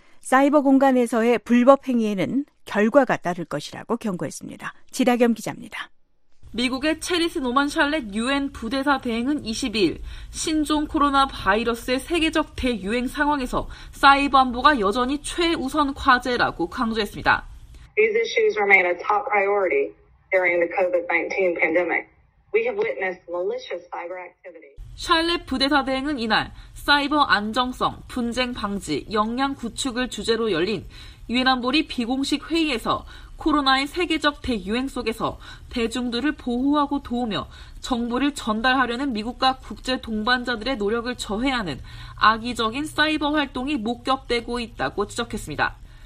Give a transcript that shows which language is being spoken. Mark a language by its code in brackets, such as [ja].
[ko] 사이버 공간에서의 불법 행위에는 결과가 따를 것이라고 경고했습니다. 지다겸 기자입니다. 미국의 체리스 노만 샬렛 유엔 부대사 대행은 20일 신종 코로나 바이러스의 세계적 대유행 상황에서 사이버 안보가 여전히 최우선 과제라고 강조했습니다. [en] These issues remain a top priority during the COVID-19 pandemic. We have witnessed malicious cyber activity. [ko] 샬렛 부대사 대행은 이날 사이버 안정성, 분쟁 방지, 역량 구축을 주제로 열린 유엔 안보리 비공식 회의에서 코로나의 세계적 대유행 속에서 대중들을 보호하고 도우며 정보를 전달하려는 미국과 국제 동반자들의 노력을 저해하는 악의적인 사이버 활동이 목격되고 있다고 지적했습니다.